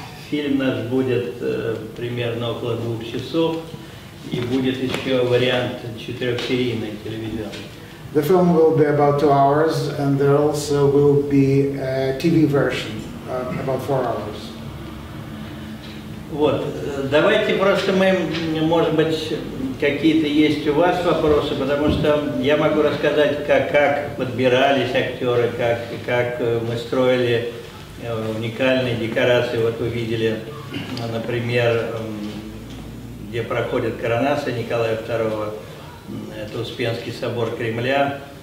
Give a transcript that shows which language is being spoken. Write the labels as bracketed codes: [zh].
[ru] Фильм наш будет примерно около 2 часов, и будет еще вариант 4-серийный телевизионный. [en] The film will be about 2 hours, and there also will be a TV version, about 4 hours. [ru] Вот, давайте просто мы, может быть, какие-то есть у вас вопросы, потому что я могу рассказать, как подбирались актеры, как мы строили уникальные декорации. Вот вы видели, например, где проходит коронация Николая II, это Успенский собор Кремля.